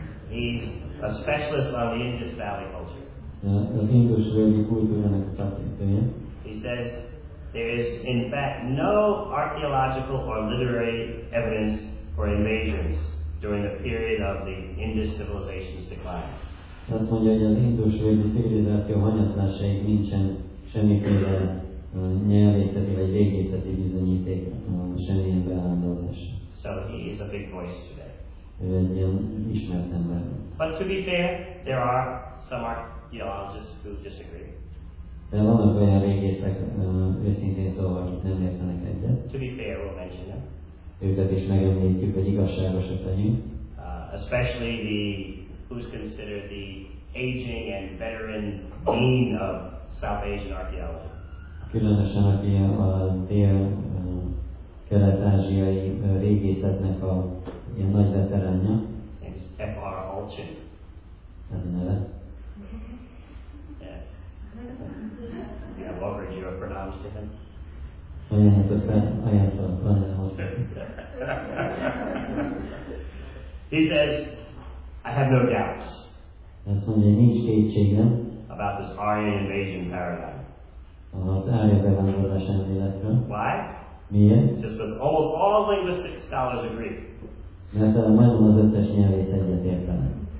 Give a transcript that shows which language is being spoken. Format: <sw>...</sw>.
<en>he's a specialist on the Indus Valley culture.</en> <hu>Az Indus völgyi kultúrának a szakértője.</hu> <en>He says there is in fact no archaeological or literary evidence for invasions during the period of the Indus civilization's decline.</en> <hu>Azt mondja, hogy az Indus völgyi civilizáció hanyatlásáig nincsen semmiféle nyelvészeti vagy régészeti bizonyíték semmilyen beállandódás.</hu> <en>So he is a big voice today.</en> <hu>Ő egy ilyen ismert ember.</hu> <en>But to be fair, there are some archaeologists who disagree.</en> <hu>De vannak olyan régészek, őszintén szóval, akik nem értenek egyet.</hu> <en>To be fair, we'll mention them.</en> <hu>Őket is megemlítjük, hogy igazságosak legyünk.</hu> <en>Especially the who's considered the aging and veteran dean of South Asian archaeology.</en> <hu>Különösen aki a dél-kelet-ázsiai régészetnek a ilyen nagy veteránja.</hu> <en>His name is F.R. Alchin.</en> <hu>Ez a neve.</hu> <en>Yes. Yeah, what would you have pronounced him? I have to pronounce He says, I have no doubts</en> <hu>Azt mondja, nincs kétségem</hu> <en>about this Aryan invasion paradigm.</en> <hu>Az Aryan bevándorlás elméletről.</hu> <en>Why?</en> <hu>Miért?</hu> <en>It says, because almost all linguistic scholars agree.</en> <hu>Mert majdnem az összes nyelvész egyet értenek.</hu>